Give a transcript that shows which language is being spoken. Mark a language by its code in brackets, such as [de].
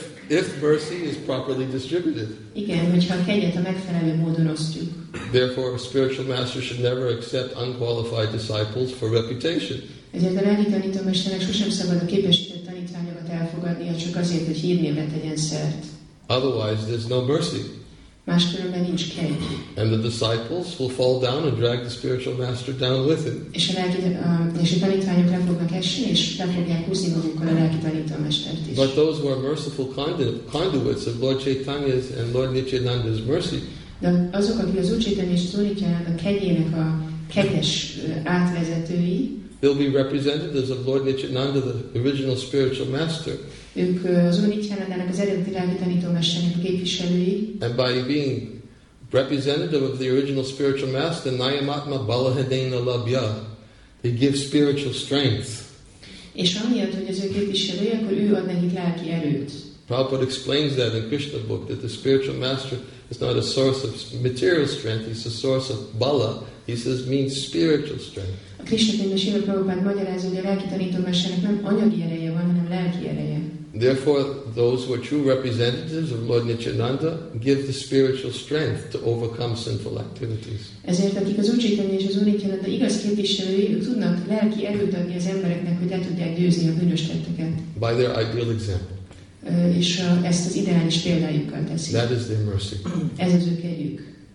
[en] if mercy is properly distributed. [hu] Igen, hogyha a kegyet a megfelelő módon osztjuk. [en] Therefore, a spiritual master should never accept unqualified disciples for reputation. [hu] Ezért a lelki tanító mesternek sosem szabad a képesített tanítványokat elfogadnia, csak azért, hogy hírnévre tegyen szert. [en] Otherwise, there's no mercy. [hu] Máskülönben nincs kegy. [en] And the disciples will fall down and drag the spiritual master down with it. [hu] És a tanítványok le fognak esni, és le fogják húzni magukkal a lelki tanítómestert is. [en] But those who are merciful conduits of Lord Chaitanya's and Lord Nityananda's mercy. [hu] De azok, akik az Úr Chaitanya és Úr Nityananda kegyének a kegyes átvezetői, [en] they'll be representatives of Lord Nityananda, the original spiritual master. [hu] Ők az Úr Nityanandának az eredeti lelki tanítómesternek a képviselői. [en] And by being representative of the original spiritual master, [sa] Nayamatma Balahadena Labhya, [en] they give spiritual strength. [hu] És amiatt, hogy az ő képviselője, akkor ő ad nekik lelki erőt. [en] Prabhupada explains that in Krishna book, that the spiritual master is not a source of material strength, he's a source of bala, he says, means spiritual strength. [hu] A Krishna könyvben Srila Prabhupada magyarázza, hogy a lelki tanítómesternek nem anyagi ereje van, hanem lelki ereje. [en] Therefore, those who are true representatives of Lord Nityananda give the spiritual strength to overcome sinful activities. [hu] Ezért akik az Úr Chaitanya és az Úr Nityananda igaz képviselői, tudnak lelki erőt adni az embereknek, hogy el tudják győzni a bűnös tetteket. [en] By their ideal example. [hu] És ezt az ideális példájukkal teszik. [en] That is their mercy. [hu] Ez az ő kegyük.